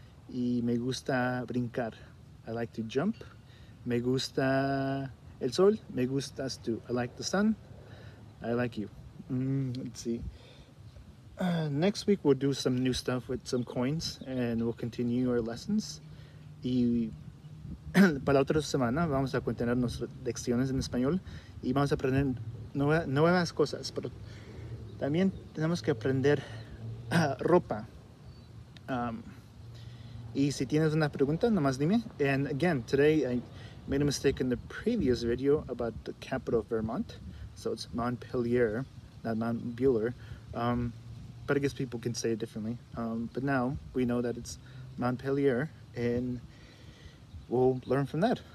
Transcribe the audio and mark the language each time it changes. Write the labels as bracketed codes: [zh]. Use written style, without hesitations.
[es] Y me gusta brincar. [en] I like to jump. [es] Me gusta el sol. Me gustas tú. [en] I like the sun. I like you. Let's see. Next week we'll do some new stuff with some coins. And we'll continue our lessons. [es] Y para la otra semana vamos a continuar nuestras lecciones en español. Y vamos a aprender nuevas cosas, pero también tenemos que aprender ropa. Y si tienes una pregunta, nomás dime. [en] And again, today I made a mistake in the previous video about the capital of Vermont. So it's Montpelier, not Mount Bueller. But I guess people can say it differently. But now we know that it's Montpelier, and we'll learn from that.